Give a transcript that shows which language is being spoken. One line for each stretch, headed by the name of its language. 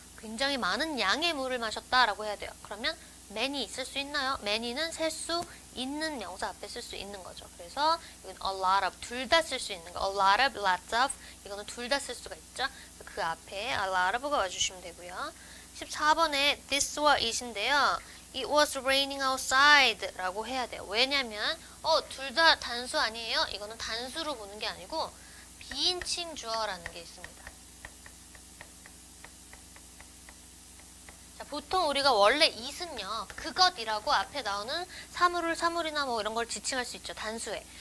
Korean: 굉장히 많은 양의 물을 마셨다라고 해야 돼요. 그러면 many 쓸수 있나요? many는 셀수 있는 명사 앞에 쓸수 있는 거죠. 그래서 이건 a lot of 둘다쓸수 있는 거.
English: a lot of, lots of
Korean: 이거는 둘다쓸 수가 있죠. 그 앞에
English: a lot of
Korean: 가 와주시면 되고요. 14번에
English: this was it인데요. it was raining outside라고
Korean: 해야 돼요. 왜냐면 둘다 단수 아니에요? 이거는 단수로 보는 게 아니고 비인칭 주어라는 게 있습니다. 보통 우리가 원래 it은요, 그것이라고 앞에 나오는 사물을 사물이나 뭐 이런 걸 지칭할 수 있죠, 단수에.